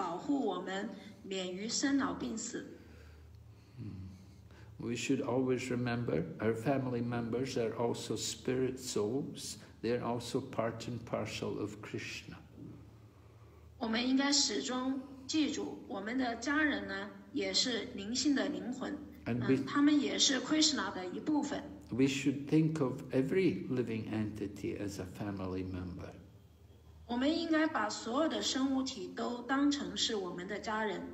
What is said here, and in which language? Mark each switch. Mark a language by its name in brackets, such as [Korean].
[Chinese] 但是呢，有一点我们要明白，我们的家庭，我们的家人并不能够保护我们免于生老病死。 [English] We should always remember our family members are also spirit souls. They are also part and parcel of Krishna. [Chinese] 我们应该始终记住，我们的家人呢也是灵性的灵魂，他们也是Krishna的一部分。 [English] We should think of every living entity as a family member. [Chinese] 我们应该把所有的生物体都当成是我们的家人。